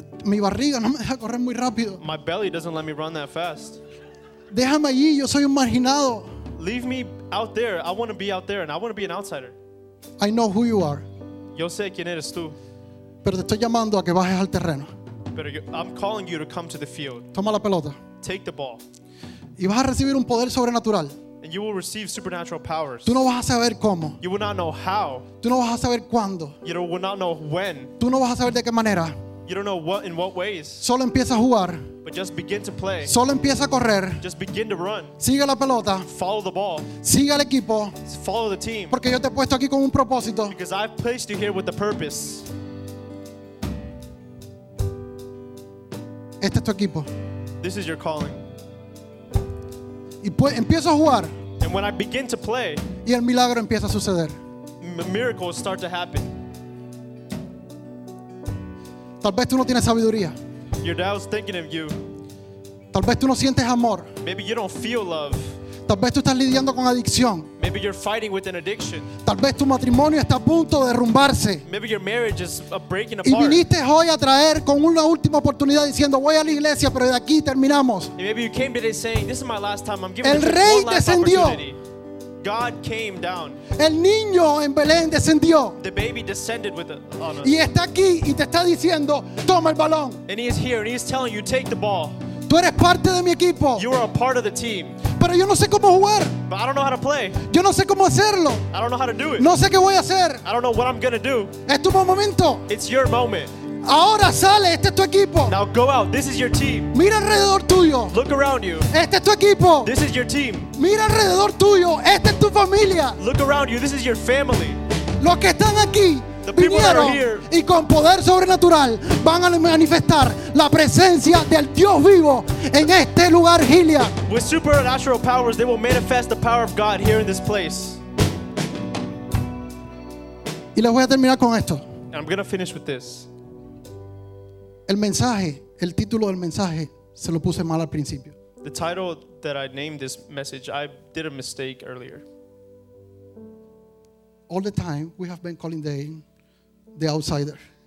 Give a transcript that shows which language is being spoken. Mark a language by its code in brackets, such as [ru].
[es] Mi barriga no me deja correr muy rápido. [en] My belly doesn't let me run that fast. [es] Déjame allí, yo soy un marginado. [en] Leave me out there. I want to be out there and I want to be an outsider. I know who you are. [es] Yo sé quién eres tú. Pero te estoy llamando a que bajes al terreno. [en] Pero I'm calling you to come to the field. [es] Toma la pelota. [en] Take the ball. [es] Y vas a recibir un poder sobrenatural. [en] And you will receive supernatural powers. [es] Tú no vas a saber cómo. [en] You will not know how. [es] Tú no vas a saber cuándo. [en] You will not know when. [es] Tú no vas a saber de qué manera. [en] You don't know in what ways. [es] Solo empieza a jugar. [en] But just begin to play. [es] Solo empieza a correr. [en] Just begin to run. [es] Sigue la pelota. [en] Follow the ball. [es] Sigue al equipo. [en] Follow the team. [es] Porque yo te he puesto aquí con un propósito. [en] Because I've placed you here with a purpose. [es] Este es tu equipo. [en] This is your calling. [es] Y pues empiezo a jugar. [en] And when I begin to play. [es] Y el milagro empieza a suceder. [en] Miracles start to happen. [es] Tal vez tú no tienes sabiduría. [en] Your dad's thinking of you. [es] Tal vez tú no sientes amor. [en] Maybe you don't feel love. [es] Tal vez tú estás lidiando con adicción. [en] Maybe you're fighting with an addiction. [es] Tal vez tu matrimonio está a punto de derrumbarse. [en] Maybe your marriage is breaking [es] apart. Y viniste hoy a traer con una última oportunidad diciendo voy a la iglesia pero de aquí terminamos. [en] And maybe you came today saying this is my last time. I'm giving [es] El rey descendió. [en] God came down. [es] El niño en Belén descendió. [en] The baby descended with on [es] us. Y está aquí y te está diciendo, toma el balón. [en] And he is here and he is telling you, take the ball. [es] Tú eres parte de mi equipo. [en] You are a part of the team. [es] pero yo no sé cómo jugar. [en] But I don't know how to play. [es] Yo no sé cómo hacerlo. [en] I don't know how to do it. [es] No sé qué voy a hacer. [en] I don't know what I'm going to do. [es] Es tu momento. [en] It's your moment. [es] Ahora sale, este es tu equipo. [en] Now go out, this is your team. [es] Mira alrededor tuyo. [en] Look around you. [es] Este es tu equipo. [en] This is your team. [es] Mira alrededor tuyo, esta es tu familia. [en] Look around you, this is your family. [es] Los que están aquí, [en] the people that are here, [es] y con poder sobrenatural van a manifestar la presencia del Dios vivo en este lugar, Gilead. [en] With supernatural powers, they will manifest the power of God here in this place. [es] Y les voy a terminar con esto. [en] I'm going to finish with this. [es] El mensaje, el título del mensaje, se lo puse mal al principio. [en] The title that I named this message, I did a mistake earlier. All the time, we have been calling the outsider.